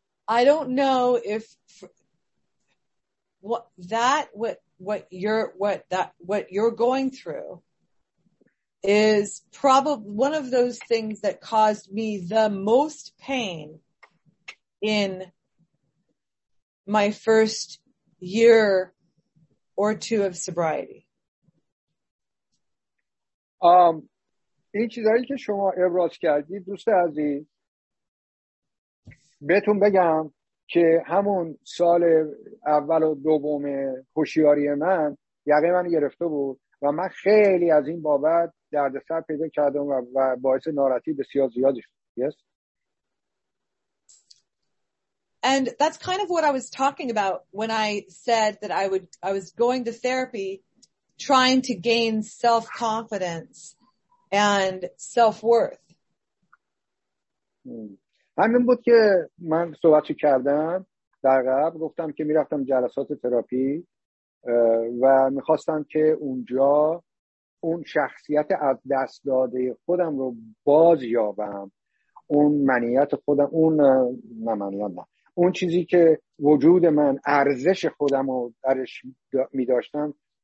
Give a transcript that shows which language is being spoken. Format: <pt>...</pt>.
<en>I don't know if what you're going through is probably one of those things that caused me the most pain in my first year or two of sobriety.</en> <fa>این چیزایی که شما ابراز کردید دوست عزیز، بهتون بگم که همون سال اول و دوم هوشیاری من یقه من گرفته بود و من خیلی از این بابت دردسر پیدا کردم و باعث ناراحتی بسیار زیادی شد.</fa> <en>Yes. And that's kind of what I was talking about when I said that I was going to therapy trying to gain self-confidence and self-worth.</en> <fa>همین بود که من صحبتش کردم در قبل، گفتم که میرفتم جلسات تراپی و میخواستم که اونجا اون شخصیت از دست داده خودم رو باز یابم، اون منیت خودم، اون نمنیت، اون چیزی که وجود من ارزش خودم رو درش میداشتم،</fa>